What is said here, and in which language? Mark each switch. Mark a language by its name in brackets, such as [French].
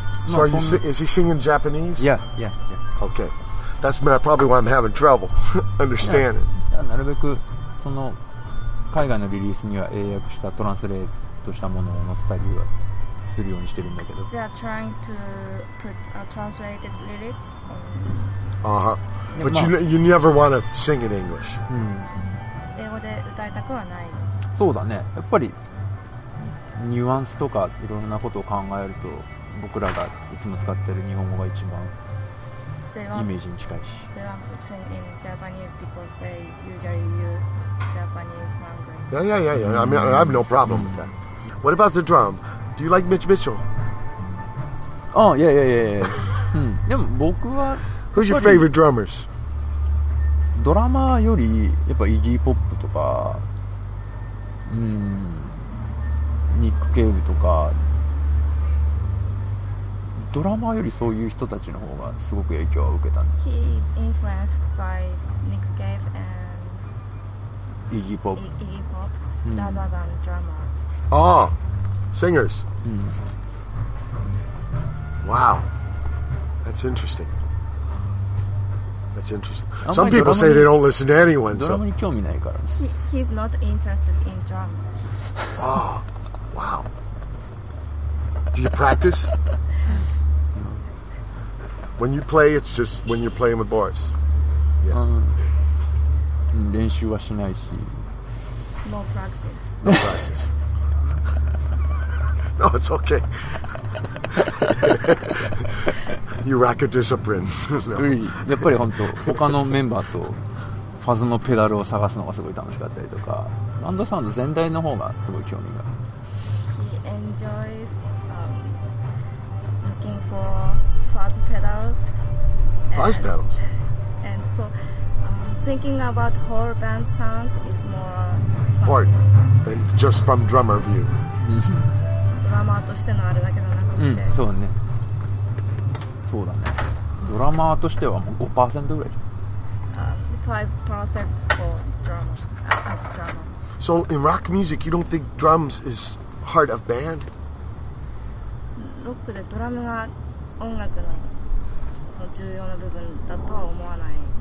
[English] so are you is he singing Japanese? Yeah. Okay. That's probably why I'm having trouble understanding. [Japanese] なるべくその海外のリリースには英訳したトランスレートしたものを載せたりはするようにしてるんだけど。 [English] They are trying to put a translated lyrics. But you never want to sing in English. [Japanese] 英語で歌いたくはない。そうだね。やっぱりニュアンスとかいろんなことを考えると、僕らがいつも使ってる日本語が一番イメージに近いし。 [English] They want to sing in Japanese because they usually use Japanese language. Yeah. I mean, I have no problem with that. What about the drum? Do you like Mitch Mitchell? Oh, yeah. [Japanese] でも僕は。 [English] Who's your favorite drummers? [Japanese] ドラマーよりやっぱイギーポップとか。ニック・ケイブとかドラマーよりそういう人たちの方がすごく影響を受けたんです。 [English] He is influenced by Nick Cave and Iggy Pop. Iggy Pop rather than drummers. Ah, singers. Wow, that's interesting. Some people say they don't listen to anyone. [Japanese] ドラマに興味ないから。 [English] He's not interested in drums. Ah. Wow. Do you practice? When you play, it's just when you're playing with Boris. Yeah. [Japanese] 練習はしないし。 [English] No practice. No practice. No, it's okay. You rack a discipline. [Japanese] やっぱり本当他のメンバーとファズのペダルを探すのがすごい楽しかったりとか、バンドサウンド全体の方がすごい興味がある。 [English] He enjoys looking for fuzz pedals. Fuzz pedals. And so thinking about whole band sound is more important than just from drummer view. [Japanese] ドラマーとしてのあれだけじゃなくて。うん、そうだね。そうだね。ドラマーとしてはもう 5% ぐらい。 [English] 5% for drums, as drummer. So in rock music, you don't think drums is heart of band? [Japanese] Rock でドラムが音楽のその重要な部分だとは思わない。